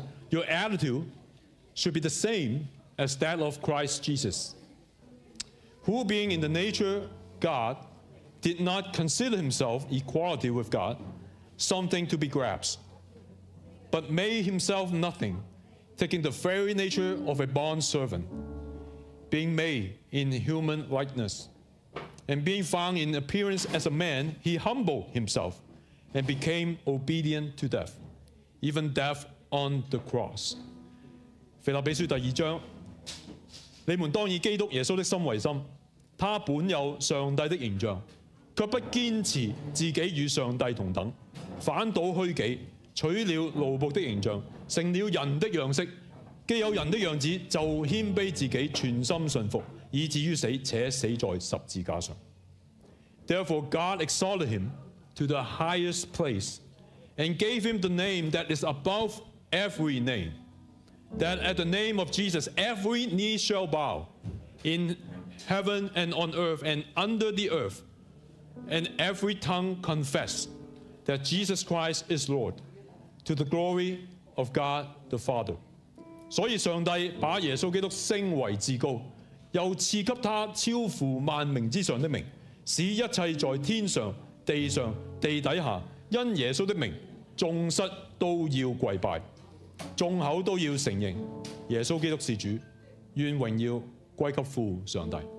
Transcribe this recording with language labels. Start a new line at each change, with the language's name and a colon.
English: Your attitude should be the same as that of Christ Jesus, who being in the nature God, did not consider himself equality with God, something to be grasped, but made himself nothing, taking the very nature of a bond servant, being made in human likeness. And being found in appearance as a man, he humbled himself and became obedient to death, even death on the cross.
Chinese: 腓立比书第二章，你们当以基督耶稣的心为心，他本有上帝的形象，却不坚持自己与上帝同等，反倒虚己，取了奴仆的形象，成了人的样式，既有人的样子，就谦卑自己，全心顺服，以至于死，且死在十字架上。
English: Therefore, God exalted him to the highest place and gave him the name that is above every name, that at the name of Jesus, every knee shall bow in heaven and on earth and under the earth, and every tongue confess that Jesus Christ is Lord, to the glory of God the Father.
Chinese: 所以上帝把耶稣基督升为至高，又赐给他超乎万名之上的名，使一切在天上、地上、地底下，因耶稣的名，众膝都要跪拜，众口都要承认耶稣基督是主，愿荣耀归给父上帝。